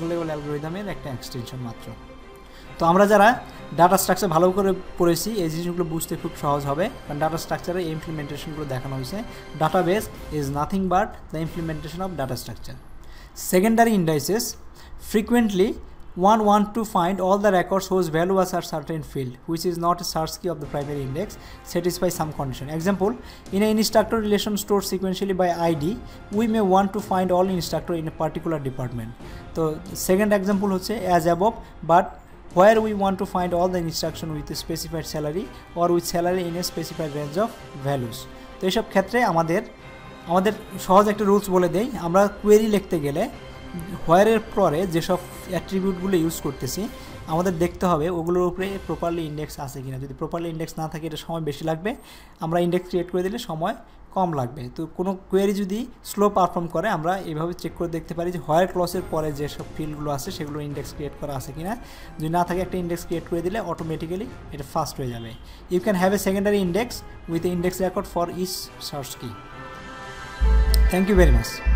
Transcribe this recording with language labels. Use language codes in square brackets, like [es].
[bn] অ্যালগোরিদমের একটা এক্সটেনশন মাত্র তো আমরা যারা ডাটা স্ট্রাকচার ভালো করে পড়েছি এই জিনিসগুলো বুঝতে খুব সহজ হবে কারণ ডাটা স্ট্রাকচারের এই ইমপ্লিমেন্টেশনগুলো দেখানো হয়েছে [en] Database is nothing but the implementation of data structure secondary indices frequently One want to find all the records whose value was a certain field, which is not a search key of the primary index, satisfy some condition. Example, in an instructor relation stored sequentially by ID, we may want to find all instructor in a particular department. So, second example is as above, but where we want to find all the instruction with a specified salary or with salary in a specified range of values. So, in this case, we have the rules that we have to write the query. [bn] হোয়ারের পরে যেসব অ্যাট্রিবিউটগুলো use করতেছি আমাদের দেখতে হবে ওগুলোর উপরে properly index আছে কিনা যদি প্রপারলি ইন্ডেক্স না থাকে এটা সময় বেশি লাগবে আমরা ইন্ডেক্স ক্রিয়েট করে দিলে সময় কম লাগবে তো কোনো কোয়েরি যদি স্লো পারফর্ম করে আমরা এইভাবে চেক করে দেখতে পারি যে হোয়ার ক্লসের পরে যেসব ফিল্ডগুলো আছে সেগুলো ইন্ডেক্স ক্রিয়েট করা আছে কিনা যদি না থাকে একটা ইন্ডেক্স ক্রিয়েট করে দিলে অটোমেটিক্যালি এটা ফাস্ট হয়ে যাবে [en] you can have a secondary index with a index record for each search key thank you very much